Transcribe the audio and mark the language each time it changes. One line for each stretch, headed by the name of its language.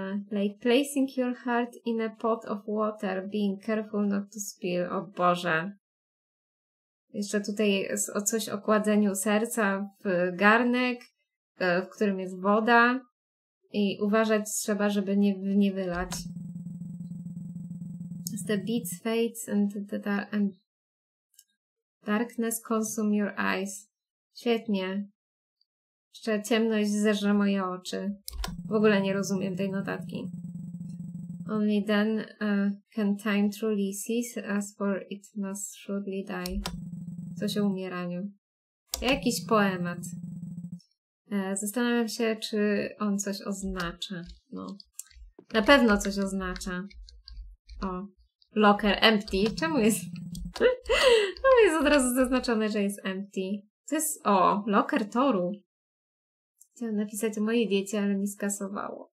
English: like placing your heart in a pot of water, being careful not to spill.
Polish: O Boże. Jeszcze tutaj o coś o kładzeniu serca w garnek, w którym jest woda i uważać trzeba, żeby nie wylać.
English: As the beats fade and darkness consume your eyes.
Polish: Świetnie. Jeszcze ciemność zeżre moje oczy. W ogóle nie rozumiem tej notatki.
English: Only then can time truly cease, as for it must surely die.
Polish: Coś o umieraniu. Jakiś poemat. Zastanawiam się, czy on coś oznacza. No. Na pewno coś oznacza. O, locker empty. Czemu jest? No jest od razu zaznaczone, że jest empty. To jest, o, locker toru. Chciałam napisać o mojej diecie, ale mi skasowało.